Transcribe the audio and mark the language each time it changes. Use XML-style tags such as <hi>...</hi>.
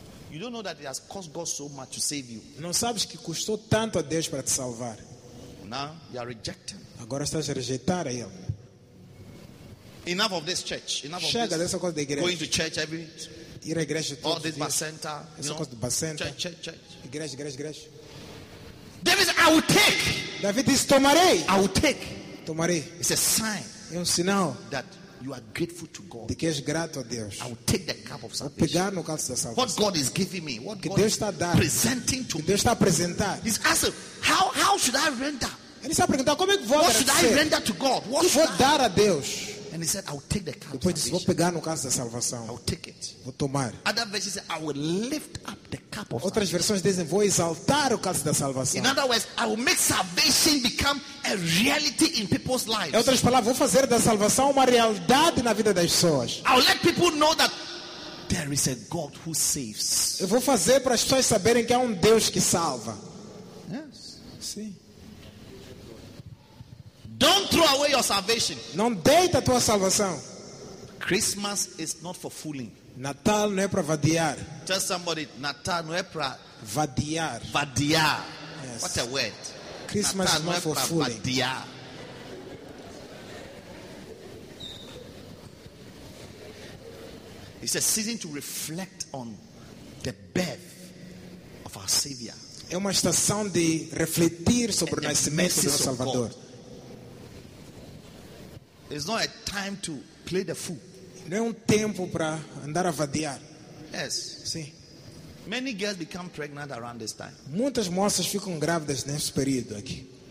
<en>You don't know that it has cost God so much to save you.</en> <pt>Não sabes que custou tanto a Deus para te salvar.</pt> <en>Now you are rejecting.</en> <pt>Agora estás a rejeitar a Ele.</pt> <en>Enough of this church. Enough of</en> <pt>chega</pt> <en>this.</en> <pt>Dessa coisa da igreja.</pt> <en>Going to church every.</en> <pt>Ir à igreja todos</pt> <en>all this</en> <pt>dias.</pt> <en>Center,</en> <pt>essa coisa do bacenta.</pt> <en>Church.</en> <pt>Igreja.</pt> <en>David, I will take.</en> <pt>David disse, tomarei.</pt> <en>I will take.</en> <pt>Tomarei.</pt> <en>It's a sign.</en> <pt>É sinal.</pt> <en>That you are grateful to God.</en> <pt>De que és grato a Deus.</pt> <en>I will take that cup of salvation.</en> <pt>Vou pegar no cálice da salvação.</pt> <en>What God is giving me? What</en> <pt>que</pt> <en>God</en> <pt>Deus está dando?</pt> <en>Presenting to</en> <pt>que Deus está apresentar.</pt> <en>He's asking, how should I render?</en> <pt>Ele está perguntando como é que vou</pt> <en>what should I render to God? What</en> <pt>que vou dar a Deus?</pt> <en>And he said, I will take the cup.</en> <pt>Depois disse, vou pegar no cálice da salvação.</pt> <en>I will take it.</en> <pt>Vou tomar.</pt> <en>Other verses say, I will lift up the cup of salvation.</en> <pt>Outras versões dizem, vou exaltar o cálice da salvação.</pt> <en>In other words, I will make salvation become a reality in people's lives.</en> <pt>Em outras palavras, vou fazer da salvação uma realidade na vida das pessoas.</pt> <en>I will let people know that there is a God who saves.</en> <pt>Eu vou fazer para as pessoas saberem que há Deus que salva.</pt> <en>Yes.</en> <pt>Sim.</pt> <en>Don't throw away your salvation.</en> <pt>Não deita a tua salvação.</pt> <en>Christmas is not for fooling.</en> <pt>Natal não é para vadiar.</pt> <en>Tell somebody,</en> <pt>Natal não é para vadiar. Vadiar.</pt> <en>Yes. What a word. Christmas</en> <pt>Natal</pt> <en>is not for</en> <pt>pra</pt> <en>fooling.</en> <pt>Vadiar.</pt> <en>It's a season to reflect on the birth of our Savior.</en> <pt>É uma estação de refletir sobre o nascimento do nosso Salvador.</pt> <en>It's not a time to play the fool.</en> <pt>Não é tempo para andar a vadiar.</pt> <en>Yes.</en> <pt>Sim.</pt> <en>Many girls become pregnant around this time.</en> <pt>Muitas moças ficam grávidas nesse período aqui.</pt>